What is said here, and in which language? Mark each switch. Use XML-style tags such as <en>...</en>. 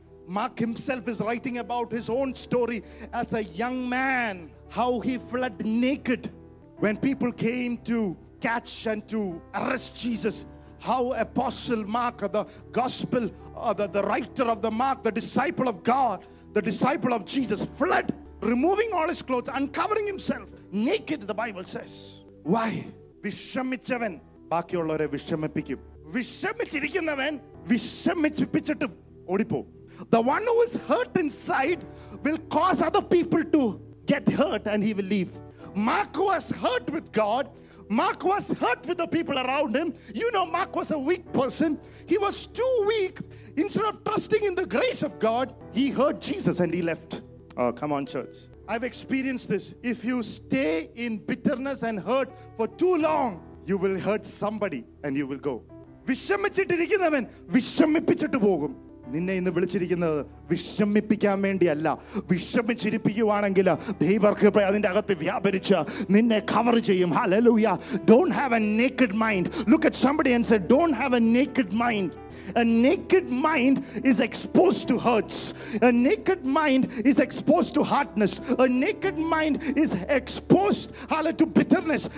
<en>Mark himself is writing about his own story as a young man, how he fled naked when people came to catch and to arrest Jesus. How Apostle Mark, the gospel, the writer of the Mark, the disciple of God, the disciple of Jesus, fled, removing all his clothes, uncovering himself naked, the Bible says. Why?</en> <ml>വിഷമിച്ചവൻ ബാക്കിയുള്ളവരെ വിഷമിപ്പിക്കും. വിഷമിച്ചിരിക്കുന്നവൻ വിഷമിച്ചിപ്പിച്ചിട്ട് ഓടിപ്പോ.</ml> <en>The one who is hurt inside will cause other people to get hurt and he will leave. Mark was hurt with God. Mark was hurt with the people around him. You know, Mark was a weak person. He was too weak. Instead of trusting in the grace of God, he hurt Jesus and he left. Oh, come on, church. I've experienced this. If you stay in bitterness and hurt for too long, you will hurt somebody and you will go.</en> <ml>വിഷമിച്ചിട്ടിരിക്കുന്നവൻ വിഷമിപ്പിച്ചിട്ട് പോകും. നിന്നെ ഇന്ന് വിളിച്ചിരിക്കുന്നത് വിഷമിപ്പിക്കാൻ വേണ്ടിയല്ല. വിഷമിച്ചിരിപ്പിക്കുവാണെങ്കിൽ ദൈവർക്ക് അതിൻ്റെ അകത്ത് വ്യാപരിച്ച് നിന്നെ cover ചെയ്യും.</ml> <en>Hallelujah. Don't have a naked mind. Look at somebody and say, don't have a naked mind. A naked mind is exposed to hurts. A naked mind is exposed to hardness. A naked mind is exposed, hallelujah, to bitterness.</en>